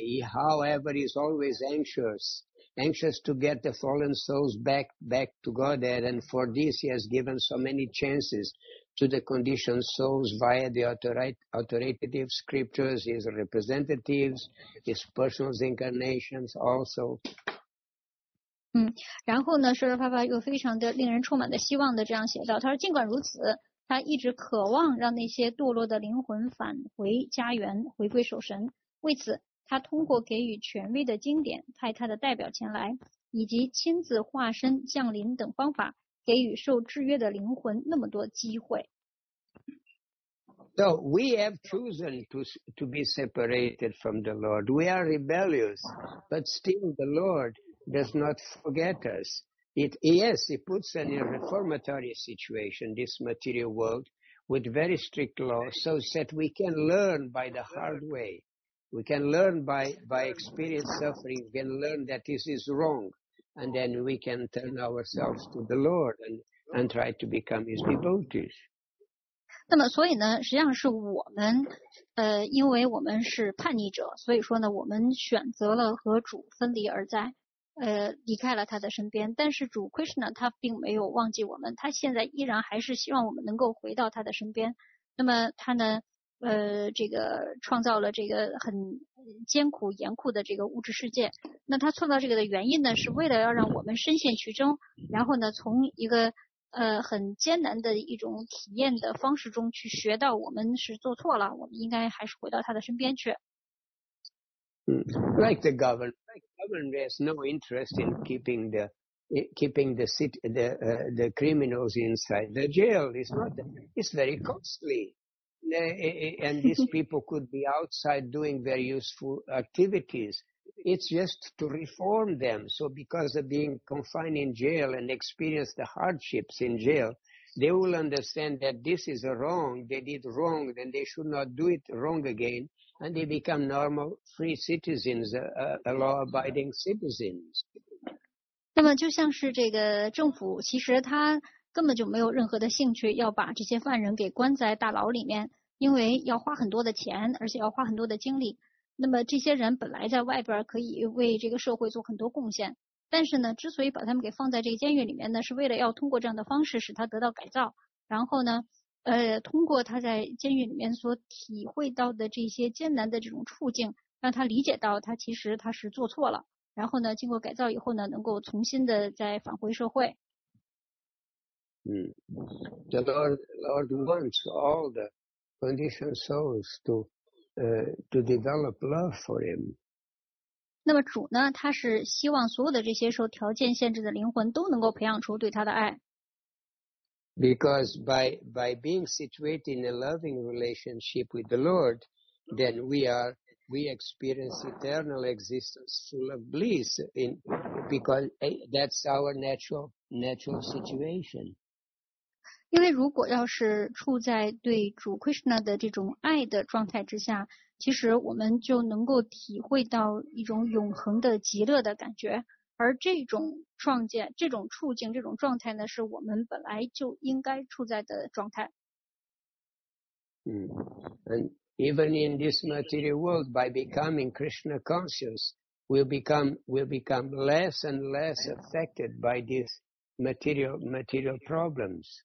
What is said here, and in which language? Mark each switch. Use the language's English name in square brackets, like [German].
[English] He, however, is always anxious to get the fallen souls back to Godhead, and for this he has given so many chances to the conditioned souls via the authoritative scriptures, his representatives, his personal incarnations also. [Chinese] 然后呢，舍尔帕帕又非常的令人充满的希望的这样写道，他说尽管如此，他一直渴望让那些堕落的灵魂返回家园，回归守神。为此他通过给予权威的经典，派他的代表前来，以及亲自化身降临等方法，给予受制约的灵魂那么多机会。 [English] So we have chosen to be separated from the Lord. We are rebellious, but still the Lord does not forget us. It puts us in a reformatory situation, this material world, with very strict laws, so that we can learn by the hard way. We can learn by experience suffering, we can learn that this is wrong, and then we can turn ourselves to the Lord and try to become his devotees. [Chinese] 那么所以呢，实际上是我们因为我们是叛逆者，所以说呢我们选择了和主分离而在离开了他的身边，但是主 Krishna 他并没有忘记我们，他现在依然还是希望我们能够回到他的身边。那么他呢这个创造了这个很艰苦严酷的这个物质世界，那他创造这个的原因呢，是为了要让我们深陷其中，然后呢从一个很艰难的一种体验的方式中去学到我们是做错了，我们应该还是回到他的身边去。 [English] Like the governor has no interest in keeping the criminals inside the jail. It's very costly. And these people could be outside doing very useful activities. It's just to reform them. So because of being confined in jail and experience the hardships in jail, they will understand that this is a wrong. They did wrong, then they should not do it wrong again. And they become normal, free citizens, law-abiding citizens. [Chinese] 那么就像是这个政府，其实他根本就没有任何的兴趣要把这些犯人给关在大牢里面。因为要花很多的钱，而且要花很多的精力。那么这些人本来在外边可以为这个社会做很多贡献，但是呢，之所以把他们给放在这个监狱里面呢，是为了要通过这样的方式使他得到改造。然后呢，通过他在监狱里面所体会到的这些艰难的这种处境，让他理解到他其实他是做错了。然后呢，经过改造以后呢，能够重新的再返回社会。 [English] The Lord wants all theconditioned souls to develop love for him. [Chinese] 那么主呢，他是希望所有的这些受条件限制的灵魂都能够培养出对他的爱。 [English] Because by being situated in a loving relationship with the Lord, then we experience eternal existence full of bliss because that's our natural situation. [Chinese] 因为如果要是处在对主 Krishna 的这种爱的状态之下，其实我们就能够体会到一种永恒的极乐的感觉，而这种创建、这种处境、这种状态呢，是我们本来就应该处在的状态。 [English] And Even in this material world, by becoming Krishna conscious, we'll become less and less affected by these material problems.